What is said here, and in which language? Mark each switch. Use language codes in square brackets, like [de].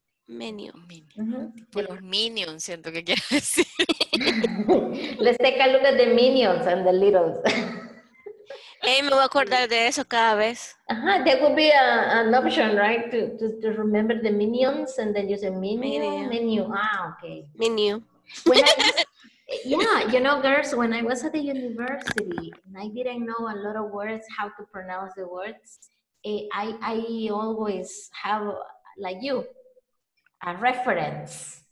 [es] Menu. Mhm. Por los minions siento que quiero decir. [en] Let's take a look at the minions and the littles. [es] Hey, me voy a acordar de eso cada vez. [en] Uh-huh, that would be an option, right? To remember the minions and then you say menu. Ah, okay. Menu. Yeah, you know, girls, when I was at the university and I didn't know a lot of words, how to pronounce the words, I always have, like you, a reference.